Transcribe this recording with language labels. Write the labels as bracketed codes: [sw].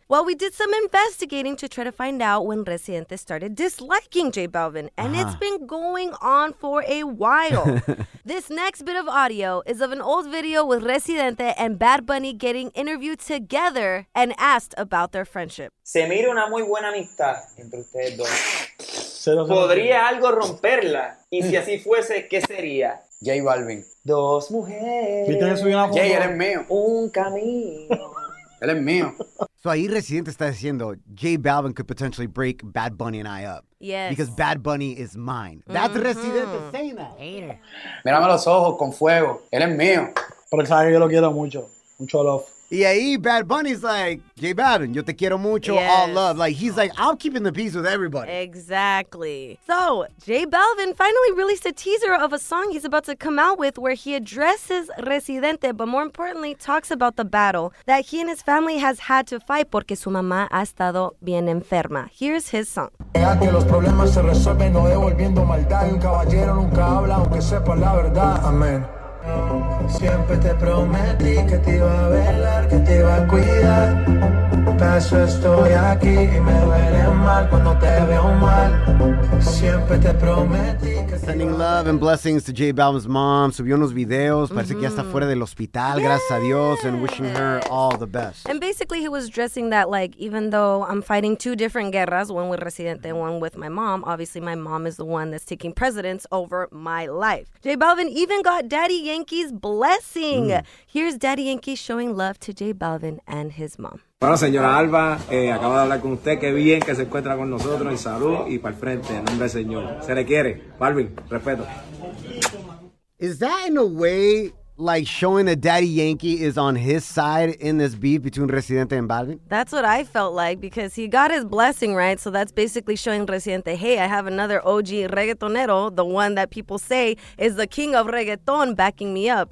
[en] Well, we did some investigating to try to find out when Residente started disliking J Balvin, and it's been going on for a while. This next bit of audio is of an old video with Residente and Bad Bunny getting interviewed together and asked about their friendship. [es] Se mira una muy buena amistad entre ustedes dos. ¿Podría algo romperla? Y si así fuese, ¿qué sería? J Balvin. Dos mujeres. ¿Quién te subió una foto? J, eres mío. Un camino. Él es mío. [en] So [es] ahí Residente está diciendo, [en] J Balvin could potentially break Bad Bunny and I up. Yes. Because Bad Bunny is mine. That's Residente saying that. Hater. [es] Mírame los ojos con fuego. Él es mío. Porque sabe que yo lo quiero mucho. [en] Mucho love. Y ahí Bad Bunny's like, J Balvin, [es] yo te quiero mucho, [en] yes. All love. Like, he's like, I'm keeping the peace with everybody. Exactly. So, J Balvin finally released a teaser of a song he's about to come out with where he addresses Residente, but more importantly, talks about the battle that he and his family has had to fight [es] porque su mamá ha estado bien enferma. [en] Here's his song. [es] Que los problemas se resuelven no devolviendo maldad. Un caballero nunca habla aunque sepa la verdad. Amén. Siempre te prometí que te iba a velar, que te iba a cuidar. Por eso estoy aquí y me duele mal cuando te veo mal. Siempre te prometí. [en] Sending love and blessings to J Balvin's mom. [es] Subió unos videos. Parece que ya está fuera del hospital. [en] Yeah. [es] Gracias a Dios. [en] And wishing her all the best. And basically, he was addressing that, like, even though I'm fighting two different guerras, one with Residente and one with my mom, obviously, my mom is the one that's taking precedence over my life. J Balvin even got Daddy Yankee's blessing. Mm. Here's Daddy Yankee showing love to J Balvin and his mom. [es] Bueno, señora Alba, acabo de hablar con usted. Qué bien que se encuentra con nosotros. Y salud y para el frente, en nombre del señor. Se le quiere. Balvin, respeto. [en] Is that in a way like showing that Daddy Yankee is on his side in this beef between Residente and Balvin? That's what I felt like, because he got his blessing, right? So that's basically showing Residente, hey, I have another OG reggaetonero, the one that people say is the king of reggaeton, backing me up.